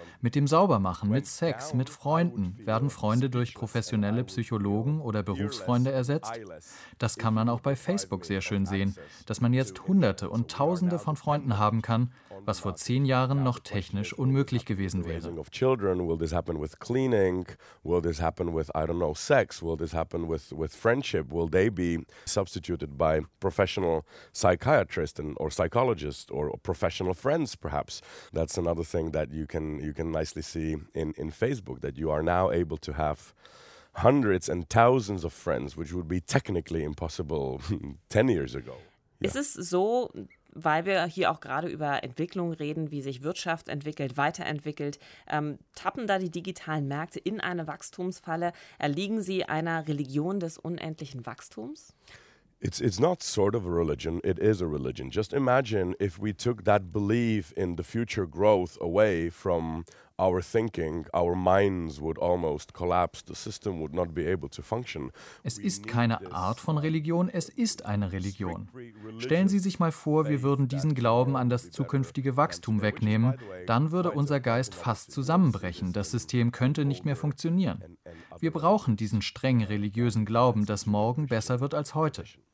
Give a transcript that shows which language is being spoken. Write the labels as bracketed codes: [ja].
[de] Mit dem Saubermachen, mit Sex, mit Freunden. Werden Freunde durch professionelle Psychologen oder Berufsfreunde ersetzt? Das kann man auch bei Facebook sehr schön sehen, dass man jetzt Hunderte und Tausende von Freunden haben kann, was vor 10 Jahren noch technisch unmöglich gewesen wäre. [en] Will this happen with cleaning? Will this happen with, I don't know, sex? Will this happen with friendship? Will they be substituted by professional psychiatrists and or psychologists or professional friends, perhaps? That's another thing that you can nicely see in Facebook, that you are now able to have hundreds and thousands of friends, which would be technically impossible 10 years ago. Yeah. [de] Ist es so, weil wir hier auch gerade über Entwicklung reden, wie sich Wirtschaft entwickelt, weiterentwickelt, tappen da die digitalen Märkte in eine Wachstumsfalle? Erliegen sie einer Religion des unendlichen Wachstums? [en] It's not sort of a religion, it is a religion. Just imagine if we took that belief in the future growth away from our thinking, our minds would almost collapse, the system would not be able to function. [de] Es ist keine Art von Religion, es ist eine Religion. Stellen Sie sich mal vor, wir würden diesen Glauben an das zukünftige Wachstum wegnehmen, dann würde unser Geist fast zusammenbrechen, das System könnte nicht mehr funktionieren. Wir brauchen diesen streng religiösen Glauben, dass morgen besser wird als heute.